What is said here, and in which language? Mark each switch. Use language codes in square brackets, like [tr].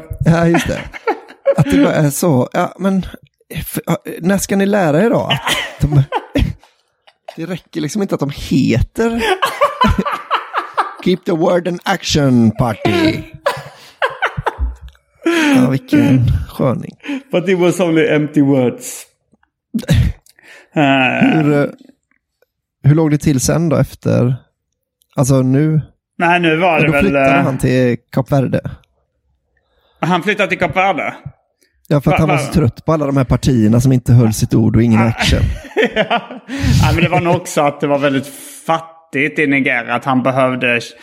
[sv] Ja, just det. Att det bara är så. Ja, men... när ska ni lära er då? Det räcker liksom inte att de heter Keep the Word and Action Party. Ja, vilken sköning. [en] But it was only empty words. [sv] Hur låg det till sen då efter? Alltså nu? Nej, nu var det väl... Då flyttade han till Kap Verde. Han flyttade till Kap Verde? Ja, för att han var så trött på alla de här partierna som inte höll sitt ord och ingen action. Ja, men det var nog också att det var väldigt fattigt i Nigeria, att han behövde...